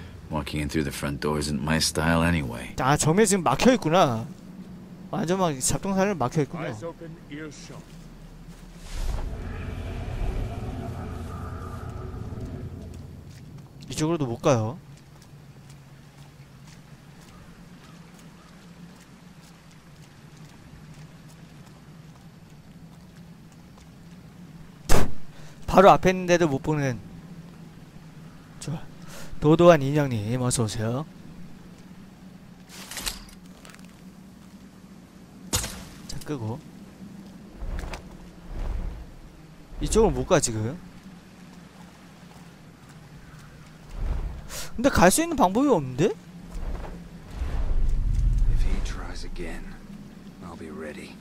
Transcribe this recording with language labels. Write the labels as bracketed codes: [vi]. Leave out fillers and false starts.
[en] Walking in through the front door isn't my style anyway. [ko] 아, 정면 지금 막혀 있구나. 완전 막 잡동사니 막혀 있군요. 이쪽으로도 못 가요. 바로 앞에 있는데도 못 보는. 좋아. 도도한 인형님, 어서 오세요. 자, 끄고. 이쪽은 못 가 지금. 근데 갈 수 있는 방법이 없는데? [en] If he tries again, I'll be ready.